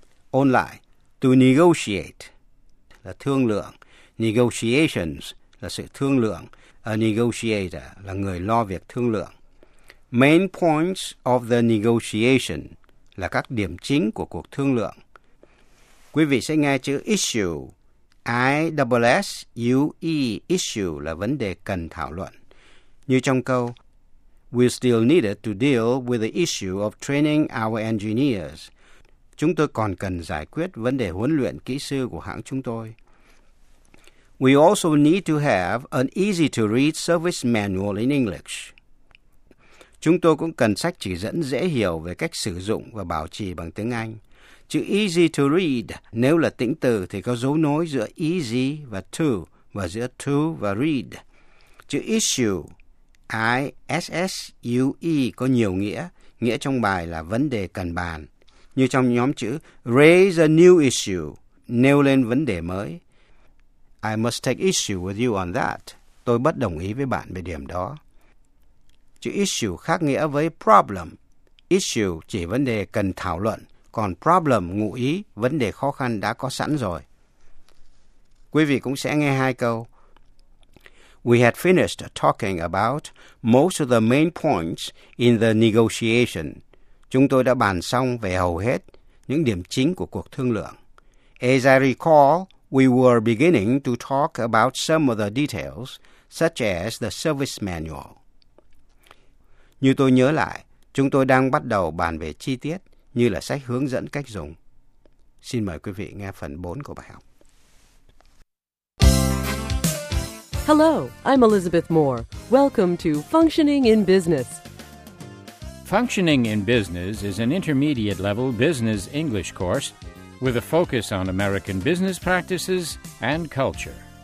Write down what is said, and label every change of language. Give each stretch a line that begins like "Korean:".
Vietnamese: Ôn lại, to negotiate là thương lượng, negotiations là sự thương lượng, a negotiator là người lo việc thương lượng.
English: Main points of the negotiation
Vietnamese: là các điểm chính của cuộc thương lượng. Quý vị sẽ nghe chữ issue, I-S-S-U-E, issue là vấn đề cần thảo luận. Như trong câu,
English: we still needed to deal with the issue of training our engineers.
Vietnamese: Chúng tôi còn cần giải quyết vấn đề huấn luyện kỹ sư của hãng chúng tôi.
English: We also need to have an easy-to-read service manual in English.
Vietnamese: Chúng tôi cũng cần sách chỉ dẫn dễ hiểu về cách sử dụng và bảo trì bằng tiếng Anh. Chữ easy-to-read, nếu là tĩnh từ thì có dấu nối giữa easy và giữa to và read. Chữ issue, I-S-S-U-E, có nhiều nghĩa. Nghĩa trong bài là vấn đề cần bàn. Như trong nhóm chữ
English: raise a new issue,
Vietnamese: nêu lên vấn đề mới.
English: I must take issue with you on that.
Vietnamese: Tôi bất đồng ý với bạn về điểm đó. Chữ issue khác nghĩa với problem. Issue chỉ vấn đề cần thảo luận, còn problem ngụ ý vấn đề khó khăn đã có sẵn rồi. Quý vị cũng sẽ nghe hai câu.
English: We had finished talking about most of the main points in the negotiation.
Vietnamese: chúng tôi đã bàn xong về hầu hết những điểm chính của cuộc thương lượng.
English: As I recall, we were beginning to talk about some of the details, such as the service manual.
Vietnamese: Như tôi nhớ lại, chúng tôi đang bắt đầu bàn về chi tiết như là sách hướng dẫn cách dùng. Xin mời quý vị nghe phần 4 của bài học.
English: Hello, I'm Elizabeth Moore. Welcome to Functioning in Business. Functioning in Business is an intermediate level business English course with a focus on American business practices and culture.